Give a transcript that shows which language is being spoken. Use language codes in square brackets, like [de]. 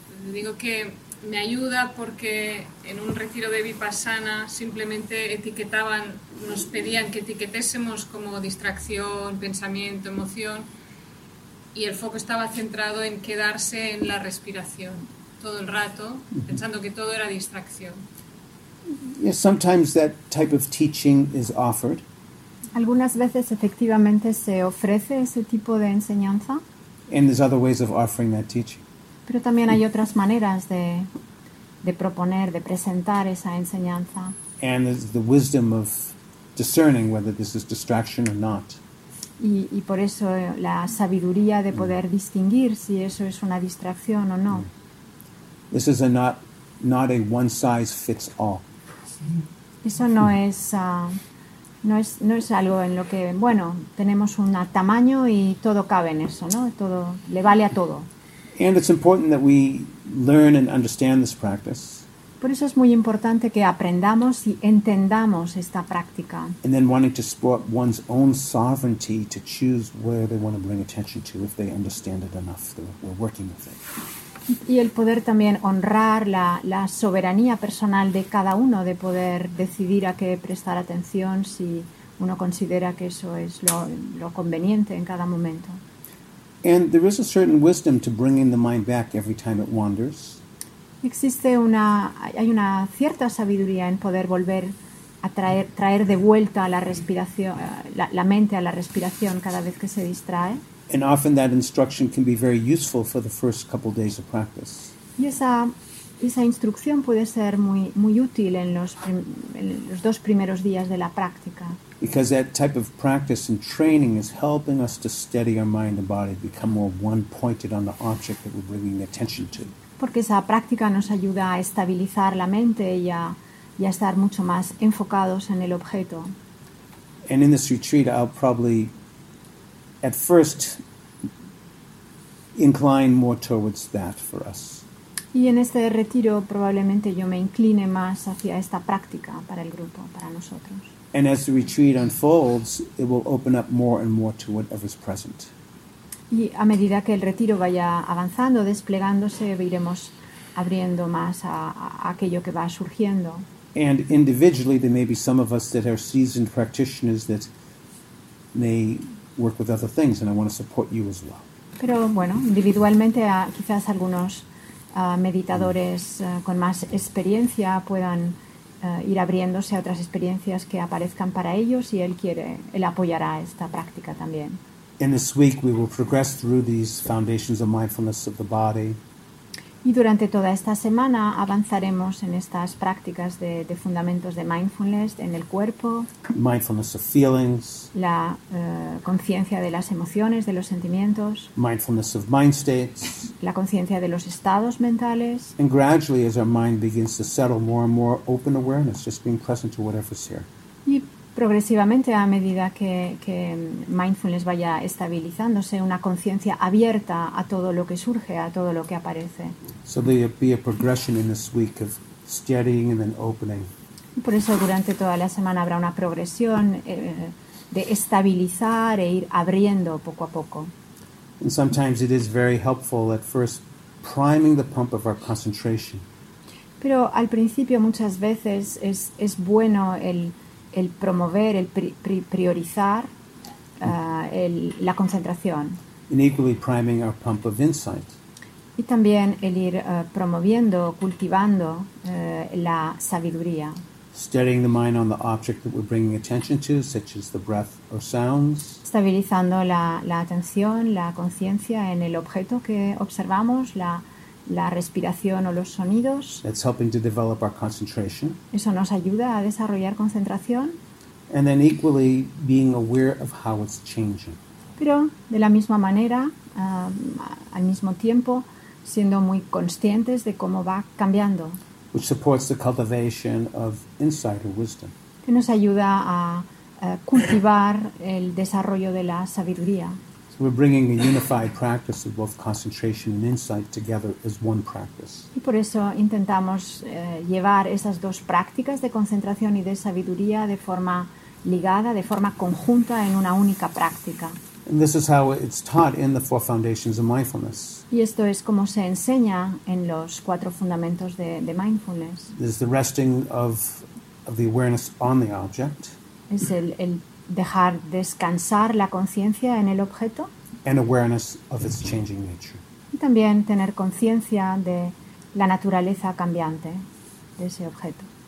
[es] Digo que me ayuda porque en un retiro de Vipassana simplemente etiquetaban, nos pedían que etiquetésemos como distracción, pensamiento, emoción, y el foco estaba centrado en quedarse en la respiración todo el rato, pensando que todo era distracción. [en] Yes, sometimes that type of teaching is offered. [es] Algunas veces efectivamente se ofrece ese tipo de enseñanza. [en] And there's other ways of offering that teaching. [es] Pero también hay otras maneras de proponer, de presentar esa enseñanza. [en] And the wisdom of discerning whether this is distraction or not. [es] Y por eso la sabiduría de poder distinguir si eso es una distracción o no. [en] This is not a one size fits all. [es] Eso no es algo en lo que, bueno, tenemos un tamaño y todo cabe en eso, ¿no? Todo le vale a todo. [en] And it's important that we learn and understand this practice. [es] Por eso es muy importante que aprendamos y entendamos esta práctica. [en] And then wanting to support one's own sovereignty to choose where they want to bring attention to, if they understand it enough, they're working with it. [es] Y el poder también honrar la soberanía personal de cada uno, de poder decidir a qué prestar atención si uno considera que eso es lo conveniente en cada momento. [en] And there is a certain wisdom to bringing the mind back every time it wanders. [es] Existe hay una cierta sabiduría en poder volver a traer de vuelta la respiración, la mente a la respiración cada vez que se distrae. [en] And often that instruction can be very useful for the first couple days of practice. [es] Y esa instrucción puede ser muy muy útil en los dos primeros días de la práctica. [en] Because that type of practice and training is helping us to steady our mind and body, become more one-pointed on the object that we're bringing attention to. [es] Porque esa práctica nos ayuda a estabilizar la mente y a estar mucho más enfocados en el objeto. [en] And in this retreat, I'll probably, at first, incline more towards that for us. [es] Y en este retiro probablemente yo me incline más hacia esta práctica para el grupo, para nosotros. [en] And as the retreat unfolds, it will open up more and more to whatever's present. [es] Y a medida que el retiro vaya avanzando, desplegándose, iremos abriendo más a aquello que va surgiendo. [en] And individually, there may be some of us that are seasoned practitioners that may work with other things, and I want to support you as well. [es] Pero bueno, individualmente, quizás algunos meditadores con más experiencia puedan ir abriéndose a otras experiencias que aparezcan para ellos, y él apoyará esta práctica también. [en] In this week we will progress through these foundations of mindfulness of the body. [es] Y durante toda esta semana avanzaremos en estas prácticas de fundamentos de mindfulness en el cuerpo. [en] Mindfulness of feelings. [es] La conciencia de las emociones, de los sentimientos. [en] Mindfulness of mind states. [es] La conciencia de los estados mentales. [en] And gradually, as our mind begins to settle, more and more open awareness, just being present to whatever's here. [es] Y progresivamente a medida que mindfulness vaya estabilizándose, una conciencia abierta a todo lo que surge, a todo lo que aparece. [en] So there be a progression in this week of steadying and then opening. [es] Por eso durante toda la semana habrá una progresión de estabilizar e ir abriendo poco a poco. [en] And sometimes it is very helpful at first priming the pump of our concentration. [es] Pero al principio muchas veces es bueno el promover, el priorizar la concentración. [en] And equally priming our pump of insight. [es] Y también el ir promoviendo, cultivando la sabiduría. [en] Steadying the mind on the object that we're bringing attention to, such as the breath or sounds. [es] Estabilizando la atención, la conciencia en el objeto que observamos, la respiración o los sonidos. [en] That's helping to develop our concentration. [es] Eso nos ayuda a desarrollar concentración. [en] And then equally being aware of how it's changing. [es] Pero de la misma manera, al mismo tiempo, siendo muy conscientes de cómo va cambiando. [en] Which supports the cultivation of insight or wisdom. [es] Que nos ayuda a cultivar el desarrollo de la sabiduría. [en] So we're bringing a unified practice of both concentration and insight together as one practice. [es] Y por eso intentamos llevar esas dos prácticas de concentración y de sabiduría de forma ligada, de forma conjunta en una única práctica. [en] And this is how it's taught in the four foundations of mindfulness. [es] Y esto es como se enseña en los cuatro fundamentos de mindfulness. [en] There's the resting of the awareness on the object. [es] Es el dejar descansar la conciencia en el objeto. [en] And awareness of its changing nature. [es] Y también tener conciencia de la naturaleza cambiante de ese objeto.